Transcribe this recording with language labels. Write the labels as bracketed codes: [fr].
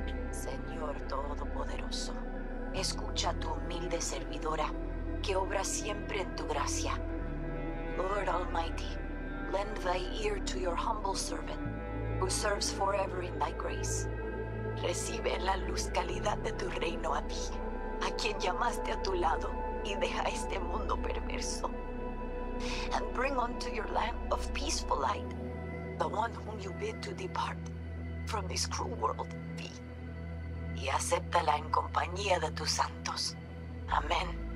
[es] Señor Todopoderoso, escucha tu humilde servidora, que obra siempre en tu gracia. [en] Lord Almighty, lend thy ear to your humble servant, who serves forever in thy grace. [es] Recibe la luz calidad de tu reino a ti, a quien llamaste a tu lado, y deja este mundo perverso. [en] And bring unto your land of peaceful light the one whom you bid to depart from this cruel world, V. [es] Y acéptala en compañía de tus santos. Amén.